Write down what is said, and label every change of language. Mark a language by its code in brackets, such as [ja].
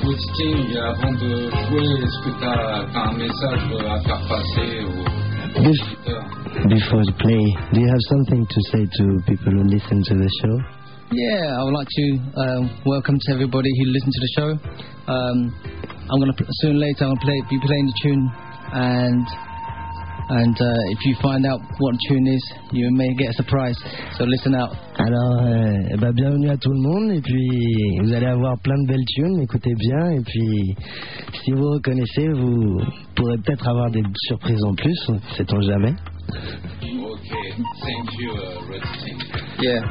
[fr] Rotting, avant de jouer, est-ce que t'as un message à faire passer aux auditeurs? [en] Before the play, do you have something to say to people who listen to the show? Yeah, I would like to welcome to everybody who listens to the show. I'm gonna soon later I'll play be playing the tune, and if you find out what the tune is, you may get a surprise. So listen out. [fr] Alors, bah bienvenue à tout le monde, et puis vous allez avoir plein de belles tunes. Écoutez bien, et puis si vous reconnaissez, vous pourrez peut-être avoir des surprises en plus. Sait-on jamais. [en] Okay, thank you, Red Sting. Yeah.